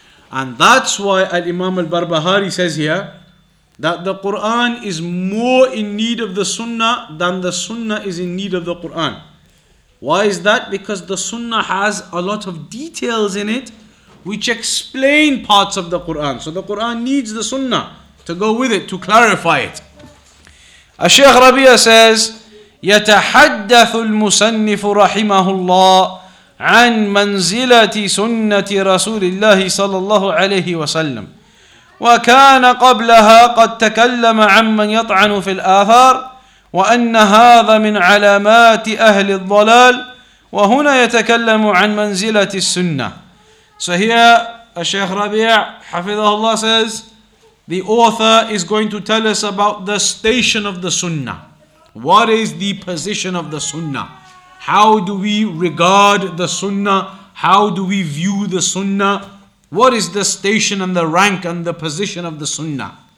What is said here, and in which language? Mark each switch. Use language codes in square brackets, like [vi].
[en] And that's why Al-Imam Al-Barbahari says here, that the Quran is more in need of the sunnah than the sunnah is in need of the Quran. Why is that? Because the sunnah has a lot of details in it which explain parts of the Quran. So the Quran needs the sunnah to go with it, to clarify it. Shaykh Rabee says, [ar] يَتَحَدَّثُ الْمُسَنِّفُ رَحِمَهُ اللَّهُ عَنْ مَنْزِلَةِ سُنَّةِ رَسُولِ اللَّهِ صَلَى اللَّهُ عَلَيْهِ وَسَلَّمُ وكان قبلها قد تكلم عمن يطعن في الآثار وأن هذا من علامات أهل الضلال وهنا يتكلم عن منزلة السنة. [en] So here Shaykh Rabi' [ar] حفظه الله [en] says the author is going to tell us about the station of the Sunnah. What is the position of the Sunnah? How do we regard the Sunnah? How do we view the Sunnah? What is the station and the rank and the position of the sunnah?